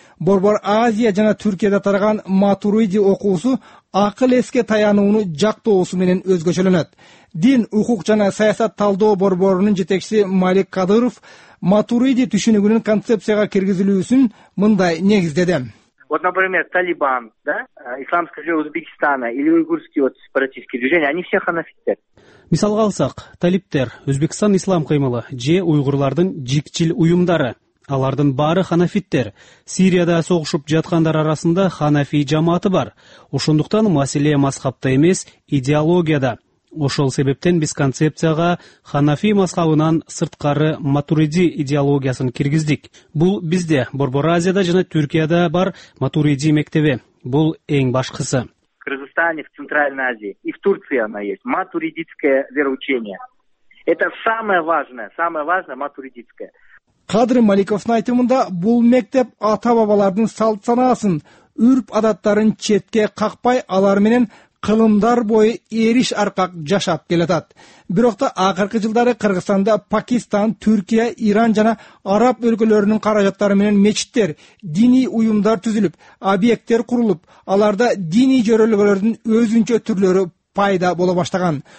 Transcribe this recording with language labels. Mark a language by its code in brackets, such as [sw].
[ky] Борбор Азия жана Түркияда тараган Матуриди окуусу акыл эске таянууну жактоосу менен өзгөчөлөнөт. Дин, укук жана саясат талдоо борборунун жетекчиси Малик Кадыров Матуриди түшүнүгүнүн концепцияга киргизилүүсүн мындай негиздеди. [ru] Вот, например, Талибан, да, исламское движение Узбекистана или уйгурские вот сепаратистские движения, они все ханафиттер. [ky] Мисалга алсак, талиптер, Өзбекстан ислам кыймылы же уйгурлардын жикчил уюмдары. Алардын баары ханафиттер. Сирияда согушуп жаткандар арасында ханафи жамааты бар. Ошондуктан маселе мазхабта эмес, идеологияда. Ошол себептен биз концепцияга ханафи мазхабынан сырткары Матуриди идеологиясын киргиздик. Бул бизде Борбор Азияда жана Түркияда бар Матуриди мектеби. Бул эң башкысы. [ru] Кыргызстане, в Центральной Азии и в Турции она есть. Матуридитское вероучение. Это самое важное матуридитское. [ky] Кадыр Маликовдун айтымында бул мектеп ата-бабалардын салт-санаасын, үрп-адаттарын четке какпай, алар менен кылымдар бою эриш аркак жашап келатат. Бирок да акыркы жылдары Кыргызстанда Пакистан, Түркия, Иран жана Араб өлкөлөрүнүн каражаттары менен мечиттер, диний уюмдар түзүлүп, объекттер курулуп, аларда диний жөрөлгөлөрдүн өзүнчө түрлөрү пайда боло баштаган.